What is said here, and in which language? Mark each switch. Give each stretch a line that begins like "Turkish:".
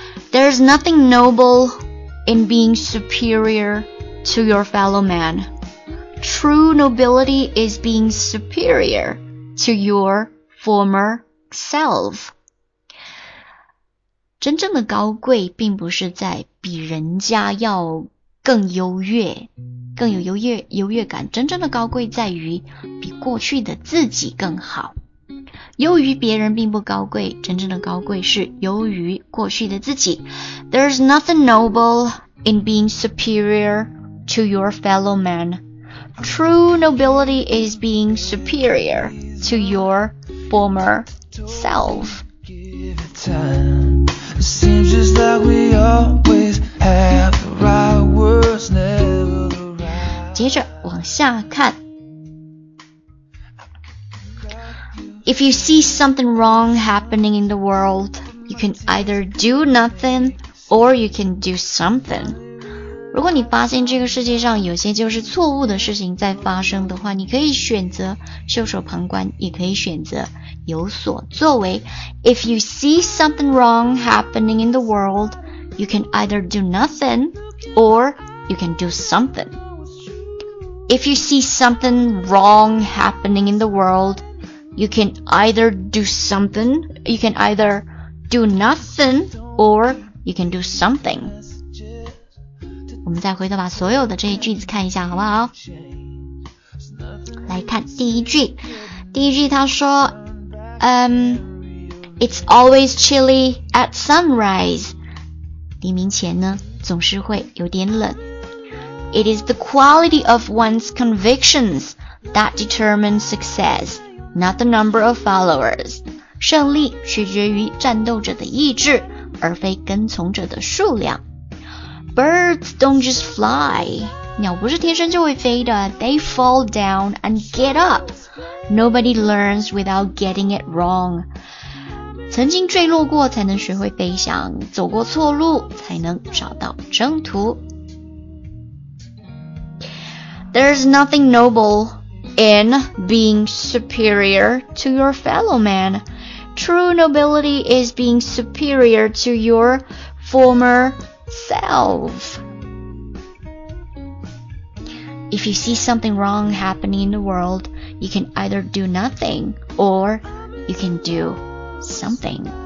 English: There's nothing noble in being superior to your fellow man. True nobility is being superior to your former self.
Chinese: 真正的高贵并不是在比人家要更优越，更有优越感。真正的高贵在于比过去的自己更好。优于别人并不高贵，真正的高贵是优于过去的自己。
English: There's nothing noble in being superior to your fellow man. True nobility is being superior to your former self. time. Seems just like we always have the right words, never the right.
Chinese: 接着往下看。
English: If you see something wrong happening in the world, you can either do nothing or you can do something.
Chinese: 如果你发现这个世界上有些就是错误的事情在发生的话，你可以选择袖手旁观，也可以选择有所作为。
English: If you see something wrong happening in the world, you can either do nothing or you can do something. If you see something wrong happening in the worldYou can either do something, you can either do nothing, or you can do something.
Chinese: 我们再回头把所有的这些句子看一下好不好？来看第一句，第一句他说
English: It's always chilly at sunrise.
Chinese: 黎明前呢，总是会有点冷。
English: It is the quality of one's convictions that determines success. Not the number of followers.
Chinese: 胜利取决于战斗者的意志，而非跟从者的数量。
English: Birds don't just fly.
Chinese: 鸟不是天生就会飞的。
English: They fall down and get up. Nobody learns without getting it wrong.
Chinese: 曾经坠落过才能学会飞翔，走过错路才能找到征途。
English: There's nothing noble. In being superior to your fellow man, true nobility is being superior to your former self. If you see something wrong happening in the world, you can either do nothing or you can do something.